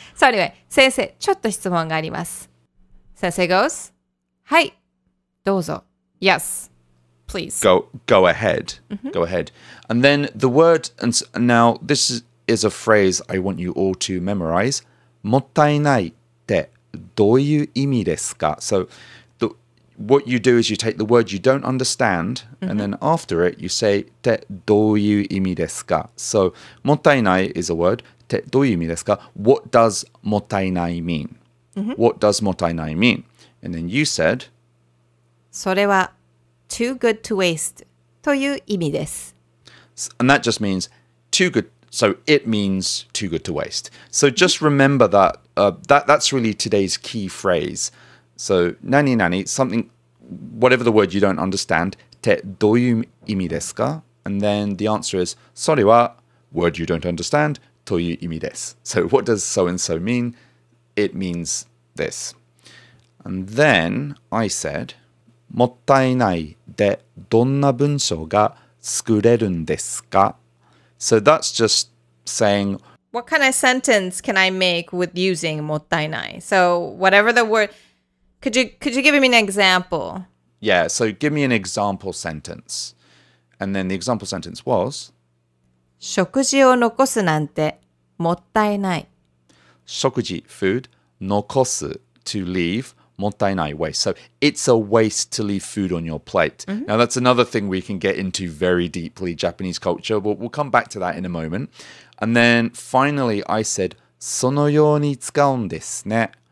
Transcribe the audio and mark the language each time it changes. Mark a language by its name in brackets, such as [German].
[English] So anyway, [Japanese] 先生、ちょっと質問があります。先生 goes, はい、どうぞ。 [English] Yes, please. Go ahead. Mm-hmm. Go ahead. And then the word, and now this is a phrase I want you all to memorize. [Japanese] もったいないってどういう意味ですか? [English] So what you do is you take the word you don't understand, and then after it, you say, てどういう意味ですか? So もったいない is a word. どういう意味ですか? What does もったいない mean? What does もったいない mean? And then you said, [Japanese] それは [English] too good to waste [Japanese] という意味です。 [English] And that just means too good. So it means too good to waste. So just remember that, that's really today's key phrase. So 何々 something, whatever the word you don't understand, てどういう意味ですか? And then the answer is, それは word you don't understand, という意味です。 So what does so-and-so mean? It means this. And then I said, [Japanese] もったいないでどんな文章が作れるんですか? [English] So that's just saying, what kind of sentence can I make with using もったいない? So whatever the word, could you give me an example? Yeah, so give me an example sentence. And then the example sentence was... [Japanese] 食事を残すなんてもったいない。 [English] 食事, food, 残す, to leave, もったいない, waste. So it's a waste to leave food on your plate. Mm-hmm. Now that's another thing we can get into very deeply, Japanese culture, but we'll come back to that in a moment. And then finally I said, [Japanese] そのように使うんですね。